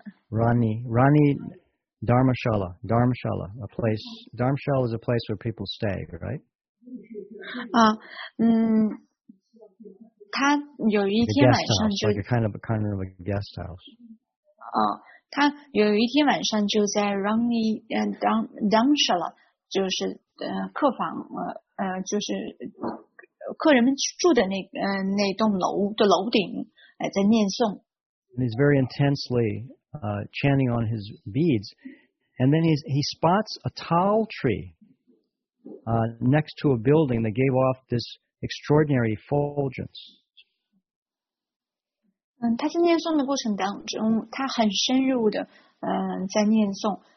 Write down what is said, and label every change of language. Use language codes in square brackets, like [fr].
[en] Rani Dharmshala, Dharmshala, a place. Dharmshala is a place where people stay, right? [zh] 他有一天晚上就 [en] like a kind of a guest house. [zh] 他有一天晚上就在 Rani Dharmshala 就是客房就是客人们住的那栋楼的楼顶在念诵。 [en] And he's very intensely chanting on his beads, and then he spots a tall tree next to a building that gave off this extraordinary effulgence. [zh] 他在念诵的过程当中，他很深入的，在念诵。